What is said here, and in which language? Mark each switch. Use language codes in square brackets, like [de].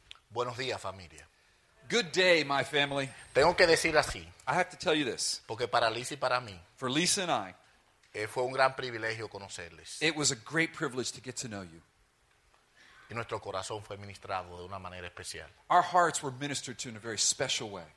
[es] Buenos días, familia. [en] Good day, my family. [es] Tengo que decir así. [en] I have to tell you this. [es] Porque para Lisa y para mí. [en] For Lisa and I. [es] Fue un gran privilegio conocerles. [en] It was a great privilege to get to know you. [es] Y nuestro corazón fue ministrado de una manera especial. [en] Our hearts were ministered to in a very special way.